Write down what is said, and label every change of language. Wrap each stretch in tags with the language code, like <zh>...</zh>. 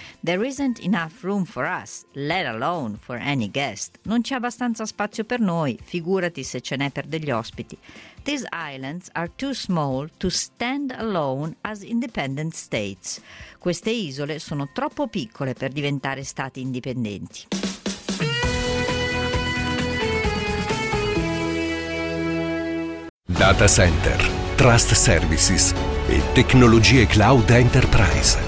<en>There isn't enough room for us, let alone for any guest.</en> <it>Non c'è abbastanza spazio per noi, figurati se ce n'è per degli ospiti.</it> <en>These islands are too small to stand alone as independent states.</en> <it>Queste isole sono troppo piccole per diventare stati indipendenti. Data Center, Trust Services e tecnologie cloud enterprise.</it>